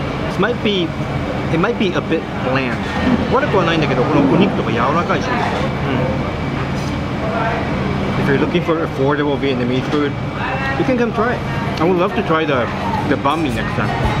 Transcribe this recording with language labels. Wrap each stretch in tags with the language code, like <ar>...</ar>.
<en>This might be, it might be a bit bland.</en> <ja>悪くはないんだけど、このお肉とか柔らかいし。うん。</ja> <en>If you're looking for affordable Vietnamese food, you can come try it. I would love to try the banh mi next time.</en>